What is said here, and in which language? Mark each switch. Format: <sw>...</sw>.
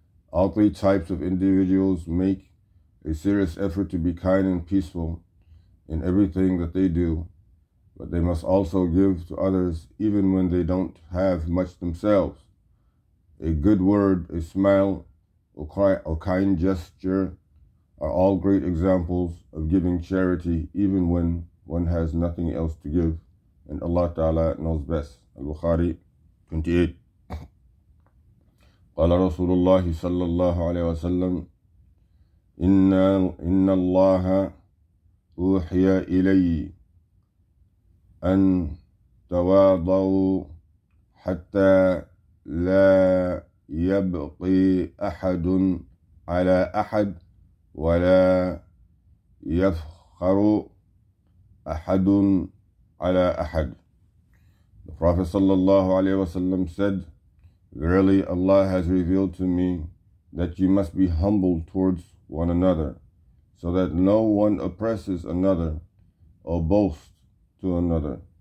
<en>All three types of individuals make a serious effort to be kind and peaceful in everything that they do, but they must also give to others even when they don't have much themselves. A good word, a smile, or kind gesture are all great examples of giving charity even when one has nothing else to give, and Allah Ta'ala knows best. Al-Bukhari 28.</en> <ar>قال رسول الله صلى الله عليه وسلم إن الله أوحي إلي أن تواضعوا حتى لا يبقي أحد على أحد ولا يفخر أحد على أحد.</ar> <en>The Prophet sallallahu alayhi wa sallam said, verily Allah has revealed to me that you must be humble towards one another, so that no one oppresses another or boasts to another.</en>